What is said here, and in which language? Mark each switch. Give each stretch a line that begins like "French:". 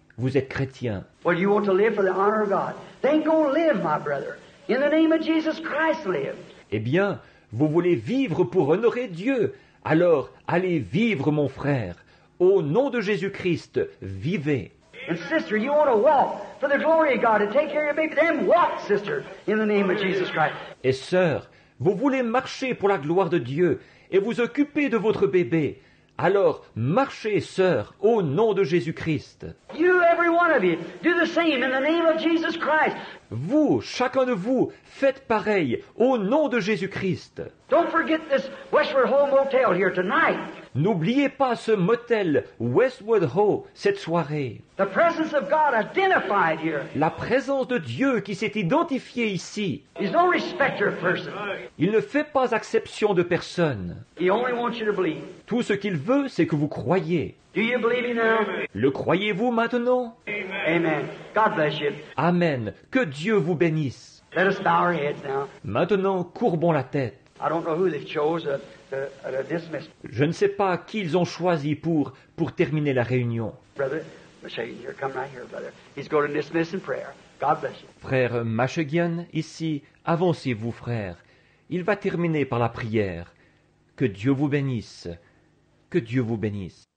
French: Vous êtes chrétien.
English: Well, you want to live for the honor of God. Then go live, my brother. In the name of Jesus Christ, live.
French: Eh bien, vous voulez vivre pour honorer Dieu. Alors, allez vivre, mon frère. Au nom de Jésus-Christ, vivez.
English: And sister, you want to walk for the glory of God and take care of your baby. Then walk, sister, in the name of Jesus Christ.
French: Et sœur, vous voulez marcher pour la gloire de Dieu et vous occuper de votre bébé. Alors, marchez, sœur, au nom de Jésus-Christ.
English: You, every one of you, do the same in the name of Jesus Christ.
French: Vous, chacun de vous, faites pareil au nom de Jésus-Christ.
English: Don't forget this Westward Ho motel here tonight.
French: N'oubliez pas ce motel Westward Ho cette soirée.
English: The presence of God identified here.
French: La présence de Dieu qui s'est identifiée ici.
English: He's no respecter of person.
French: Il ne fait pas exception de personne.
English: He only wants you to believe.
French: Tout ce qu'il veut, c'est que vous croyiez.
English: Do you believe me now?
French: Le croyez-vous maintenant?
English: Amen. God bless you.
French: Amen. Que Dieu vous bénisse.
English: Let us bow our heads now.
French: Maintenant, courbons la tête.
English: I don't know who they've chosen to dismiss.
French: Je ne sais pas qui ils ont choisi pour terminer la réunion.
English: Brother Machagian, here, come right here, brother. He's going to dismiss in prayer. God bless you.
French: Frère Machagian, ici, avancez-vous, frère. Il va terminer par la prière. Que Dieu vous bénisse. Que Dieu vous bénisse.